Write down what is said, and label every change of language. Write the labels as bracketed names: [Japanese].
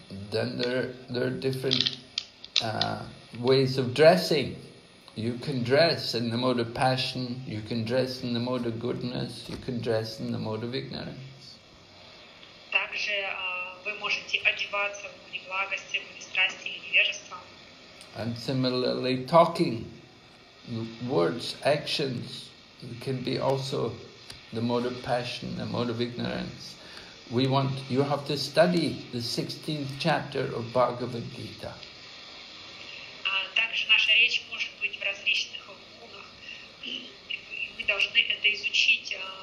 [English] Then there are different ways of dressing. You can dress in the mode of passion, you can dress in the mode of goodness, you can dress in the mode of ignorance. [Russian] Также вы можете одеваться в мире благости, в мире страсти или невежества. [English] And similarly, talking, words, actions, can be also the mode of passion, the mode of ignorance. You have to study the 16th chapter of Bhagavad Gita. [Russian] Также наша речь может быть в различных гунах. Мы должны это изучить.